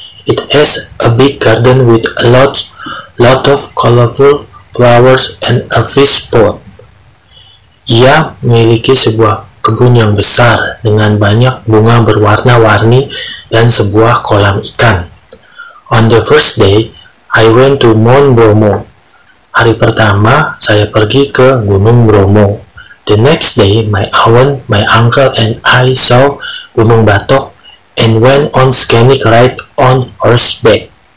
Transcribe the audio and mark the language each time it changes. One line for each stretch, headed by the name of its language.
English: It has a big garden with a lot of colorful flowers and a fish pond.
Indonesian: Ia memiliki sebuah kebun yang besar dengan banyak bunga berwarna-warni dan sebuah kolam ikan.
English: On the first day, I went to Mount Bromo.
Indonesian: Hari pertama, saya pergi ke Gunung Bromo.
English: The next day, my aunt, my uncle, and I saw Gunung Batok and went on scenic ride on horseback.